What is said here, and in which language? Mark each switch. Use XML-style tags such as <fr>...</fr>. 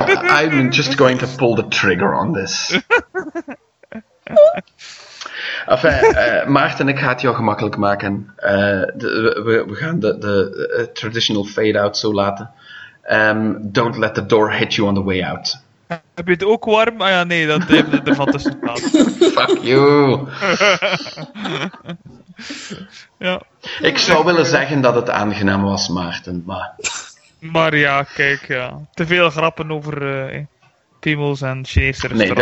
<en>I'm just going to pull the trigger on this.</en> <nl>Enfin, Maarten, ik ga het jou gemakkelijk maken. We gaan de</nl> <en>traditional fade-out</en> <nl>zo laten.</nl> <en>Don't let the door hit you on the way out.</en> <nl>Heb je het ook warm? Ah ja, nee, dat heb je ervan te staan.</nl> <en>Fuck you.</en> <nl>Ja. Ik zou willen zeggen dat het aangenaam was, Maarten, maar... Maar ja, kijk, ja. Te veel grappen over piemels en Chinese restaurants.</nl>